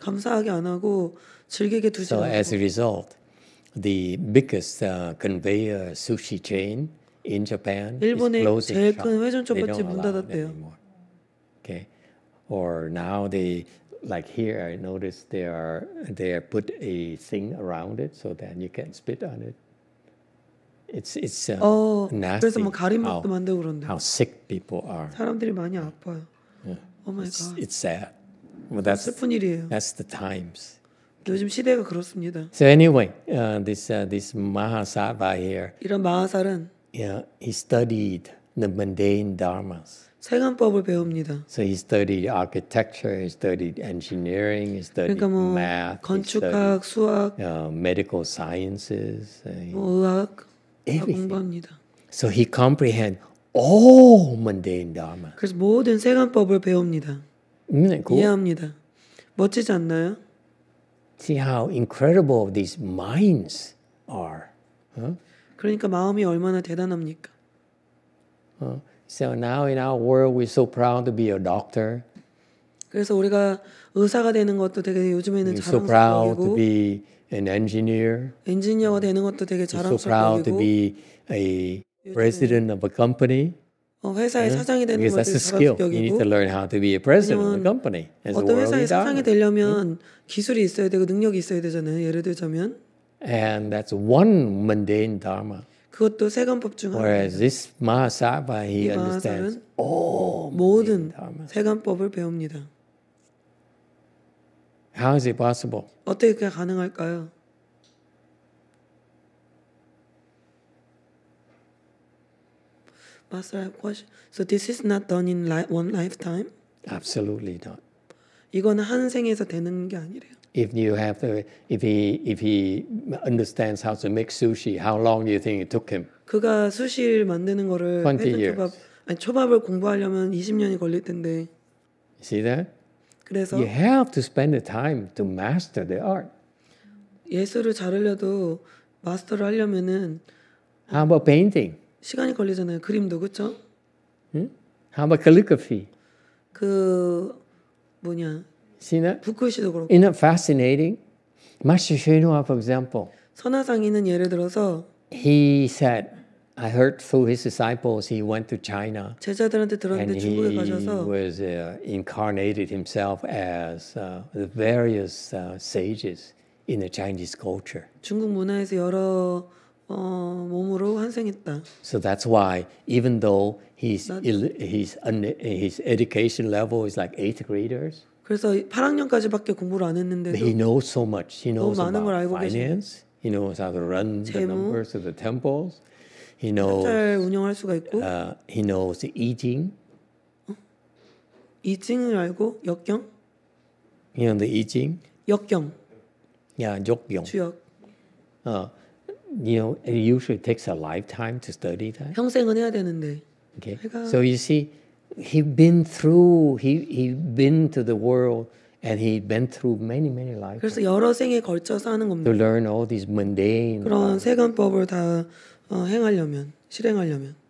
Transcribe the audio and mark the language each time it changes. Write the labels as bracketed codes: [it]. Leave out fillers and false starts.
[ko] 감사하게 안 하고 즐기게 두지 [en] so [ko] 않고. [en] As a result, the biggest conveyor sushi chain in Japan is closing shop. [ko] 일본의 제일 큰 회전초밥집 문 닫았대요. [en] Okay. Or now they, like here, I noticed they put a thing around it so that you can't spit on it. It's nasty. [ko] 그래서 뭐 가림막도 만들고 그런데. [en] How sick people are. [ko] 사람들이 많이 아파요. [en] Yeah. Oh my God. It's sad. Well, that's [ko] 슬픈 일이에요. [en] That's the times. [ko] 요즘 시대가 그렇습니다. [en] So anyway, this Mahasattva here. [ko] 이런 마하살은. [en] Yeah, he studied the mundane dharmas. [ko] 세관법을 배웁니다. [en] So he studied architecture, he studied engineering, he studied [ko] 그러니까 뭐 [en] math, [ko] 건축학, [en] he studied, [ko] 수학, [en] medical sciences, [ko] 뭐 의학. [en] Everything. So he comprehends all mundane dharma. [ko] 그래서 모든 세관법을 배웁니다. [en] Cool? [ko] 이해합니다. 멋지지 않나요? [en] See how incredible these minds are. Huh? [ko] 그러니까 마음이 얼마나 대단합니까? [en] So now in our world, we're so proud to be a doctor. [ko] 그래서 우리가 의사가 되는 것도 되게 요즘에는 [en] so proud to be an engineer. [ko] 엔지니어가 되는 것도 되게 자랑스럽고. [en] So proud to be a president of a company. [ko] 회사의 사장이 되는 것도 자랑스럽고. [en] Because that's a skill. You need to learn how to be a president of a company. [ko] 어떤 회사의 사장이 되려면 기술이 있어야 되고 능력이 있어야 되잖아요. 예를 들자면. [en] And that's one mundane dharma. [ko] 그것도 세관법 중 하나예요. [en] Whereas this Mahasattva, he understands all [ko] 모든 세관법을 배웁니다. [en] How is it possible? [ko] 어떻게 그게 가능할까요? [en] Master, I have a question. So this is not done in one lifetime? Absolutely not. [ko] 이거는 한 생에서 되는 게 아니래요. [en] If you have to, if he understands how to make sushi, how long do you think it took him? [ko] 그가 수시를 만드는 거를 초밥을 공부하려면 20년이 걸릴 텐데. [en] See that? [ko] 그래서 [en] you have to spend the time to master the art. [ko] 예술을 잘하려도 마스터를 하려면은 [en] how about painting? [ko] 시간이 걸리잖아요. 그림도 그렇죠? [en] How about calligraphy? [ko] 그 뭐냐? [en] See that? [ko] 북글씨도 그렇고. [en] Isn't that fascinating? Master Xuanhua, for example. [ko] 선화상인은 예를 들어서 [en] he said I heard through his disciples he went to China. [ko] 제자들한테 들었는데 중국에 가셔서 [en] he was incarnated himself as the various sages in the Chinese culture. [ko] 중국 문화에서 여러 몸으로 환생했다. [en] So that's why even though his education level is like 8th graders. [ko] 그래서 8학년까지밖에 공부를 안 했는데도 [en] he knows so much. He knows about finance. He knows how to run [ko] 재무, [en] the numbers of the temples. He knows [ko] 운영할 수가 있고. [en] He knows the yijing. [ko] 이징을 알고 역경? [en] You know the yijing? [ko] 역경. [en] Yeah, 역경. [ko] 주역. [en] You know, it usually takes a lifetime to study that. [ko] 평생은 해야 되는데. [en] Okay. So you see, he'd been to the world, and he'd been through many, many lives. [ko] 그래서 여러 생에 걸쳐서 하는 겁니다. [en] To learn all these mundane. [ko] 그런 세관법을 다 행하려면, 실행하려면.